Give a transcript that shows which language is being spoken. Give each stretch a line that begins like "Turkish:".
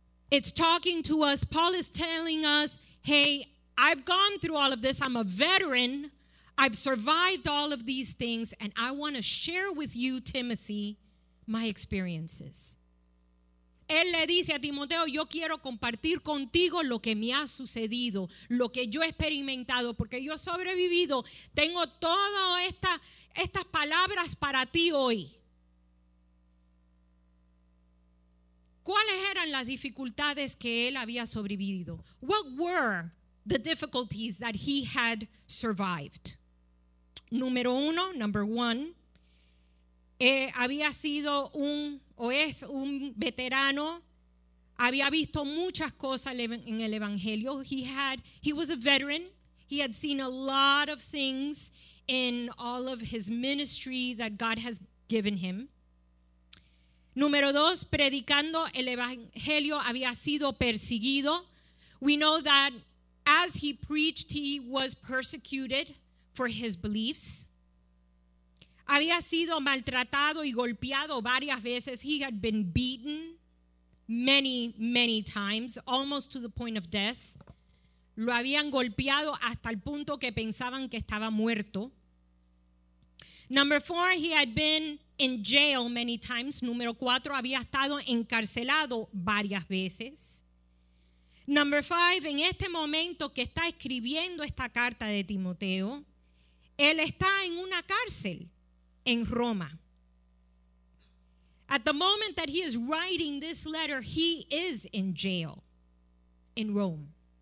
English: It's talking to us, Paul is telling us, hey, I've gone through all of this, I'm a veteran, I've survived all of these things, and I want to share with you, Timothy, my experiences.
Spanish: Él le dice a Timoteo, yo quiero compartir contigo lo que me ha sucedido, lo que yo he experimentado, porque yo he sobrevivido. Tengo todas estas palabras para ti hoy. ¿Cuáles eran las dificultades que él había sobrevivido?
English: What were the difficulties that he had survived?
Spanish: Número uno,
English: number one,
Spanish: había sido un... o es un veterano, había visto muchas cosas en el evangelio.
English: He was a veteran. He had seen a lot of things in all of his ministry that God has given him.
Spanish: Número dos, predicando el evangelio, había sido perseguido.
English: We know that as he preached, he was persecuted for his beliefs.
Spanish: Había sido maltratado y golpeado varias veces.
English: He had been beaten many, many times, almost to the point of death.
Spanish: Lo habían golpeado hasta el punto que pensaban que estaba muerto.
English: Number four, he had been in jail many times.
Spanish: Número cuatro, había estado encarcelado varias veces.
English: Number five,
Spanish: en este momento que está escribiendo esta carta de Timoteo, él está en una cárcel en Roma.
English: At the moment that he is writing this letter, he is in jail in Rome.